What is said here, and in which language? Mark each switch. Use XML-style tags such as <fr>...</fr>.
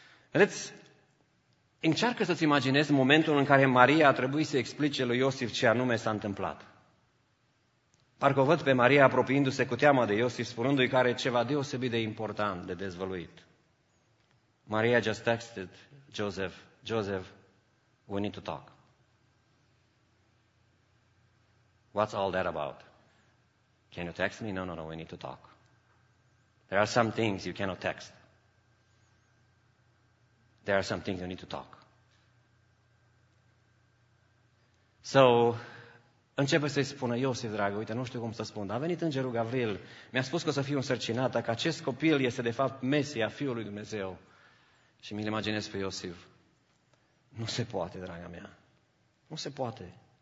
<ro>Vedeți, încearcă să-ți imaginezi momentul în care Maria a trebuit să explice lui Iosif ce anume s-a întâmplat. Parcă o văd pe Maria apropiindu-se cu teamă de Iosif, spunându-i că are ceva deosebit de important, de dezvăluit.</ro> <en>Maria just texted Joseph, Joseph, we need to talk. What's all that about? Can you text me? No, we need to talk. There are some things you cannot text. There are some things you need to talk. So,</en> <ro>începe să-i spună, Iosif, dragă, uite, nu știu cum să spun, a venit îngerul Gavril, mi-a spus că o să fiu însărcinată, că acest copil este, de fapt, Mesia, Fiul lui Dumnezeu. Și mi-l imaginez pe Iosif. Nu se poate, draga mea. Nu se poate.</ro>